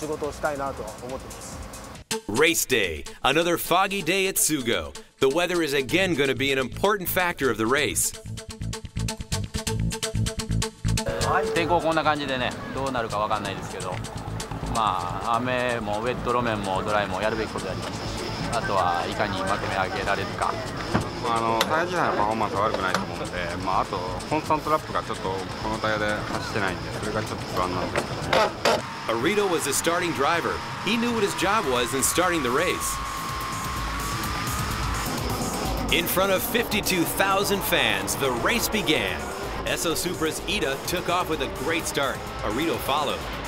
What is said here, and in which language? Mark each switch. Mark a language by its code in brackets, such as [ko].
[ja] 年齢的にももう彼はそろそろもうベテランの域に入ってきつつあるんですけど、かといってそれをおごったようなところもないんで、彼と長く仕事をしたいなと思ってます。 [en] Race day, another foggy day at Sugo. The weather is again going to be an important factor of the race. [ja] はい、天候こんな感じでね、どうなるか分かんないですけど、まあ雨もウェット路面もドライもやるべきことやりますし。あとはいかに負け目を上げられるか。タイヤ自体のパフォーマンス悪くないと思うので、あとコンスタントラップがちょっとこのタイヤで走ってないんで、それがちょっと不安なんですけど。Arido [en] was the starting driver. He knew what his job was in starting the race. In front of 52,000 fans, the race began. Esso Supra's Ida took off with a great start. Arido followed.